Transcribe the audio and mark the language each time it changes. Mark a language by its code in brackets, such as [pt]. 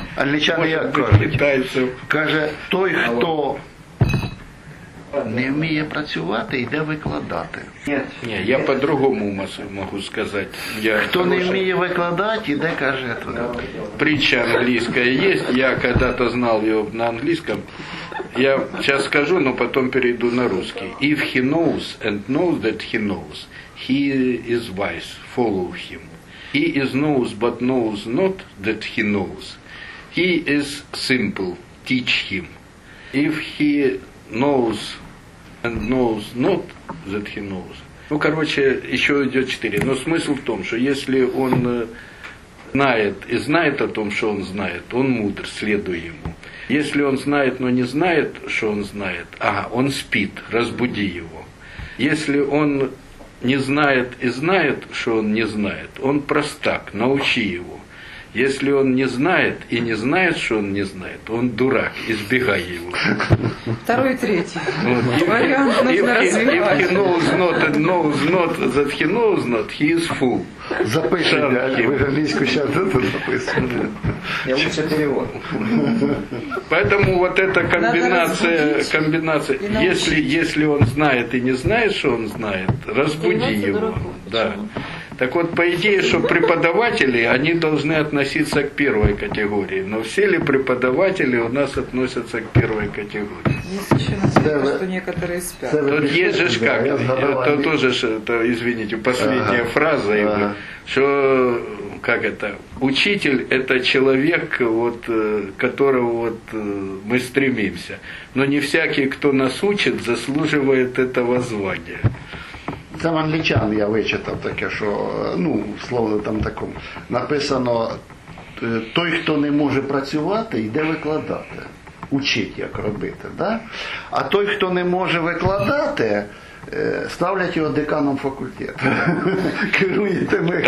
[uk] Англічани як кажуть, каже, той, хто не вміє працювати, йде викладати. Ні, я по-другому можу сказати. Хто не вміє викладати, іде, каже. Притча англійська є. Я коли-то знав його на англійському. Я зараз скажу, але потім перейду на русский. [en] If he knows and knows that he knows, he is wise, follow him. He is knows but knows not that he knows. He is simple, teach him. If he knows and knows not that he knows. [ru] Ну, короче, еще идет 4. Но смысл в том, что если он знает и знает о том, что он знает, он мудр, следуй ему. Если он знает, но не знает, что он знает, он спит, разбуди его. Если он не знает и знает, что он не знает, он простак, научи его. Если он не знает и не знает, что он не знает, он дурак, избегай его. Второй, третий. Вариант нужно развивать. [en] If he knows not and knows not that he knows not, he is fool. [ru] Запишите, вы английскую сейчас это записываете. Я лучше перевод. Поэтому вот эта комбинация, комбинация. Если, если он знает и не знает, что он знает, разбуди его. Да. Так вот, по идее, что преподаватели, они должны относиться к первой категории. Но все ли преподаватели у нас относятся к первой категории? Есть еще на самом деле, что некоторые спят. Тут есть же как, это тоже, это, извините, последняя фраза, что, как это, учитель – это человек, вот, к которому вот, мы стремимся. Но не всякий, кто нас учит, заслуживает этого звания. [uk] Це в англічан я вичитав таке, що, ну, словно там такому, написано, той, хто не може працювати, йде викладати, учить, як робити, да? А той, хто не може викладати, ставлять його деканом факультету, керує тими,